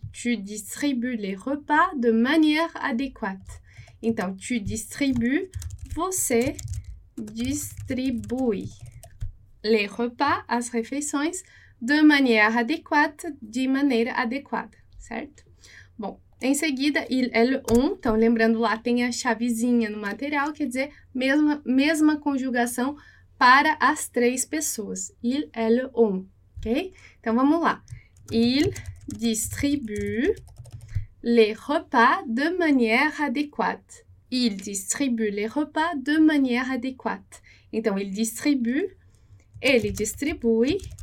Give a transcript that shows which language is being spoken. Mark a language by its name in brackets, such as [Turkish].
[French] Tu distribues les repas de manière adéquate. [Portuguese] Então, [French] tu distribues, [Portuguese] você distribui [French] les repas, [Portuguese] as refeições, [French] de manière adéquate, [Portuguese] de maneira adequada, certo? Bom, em seguida, il, elle, on, então, lembrando lá, tem a chavezinha no material, quer dizer, mesma conjugação para as três pessoas, il, elle, on, ok? Então, vamos lá, [French] il distribue les repas de manière adéquate. Il distribue les repas de manière adéquate. [Portuguese] Então, [French] il distribue, [Portuguese] ele distribui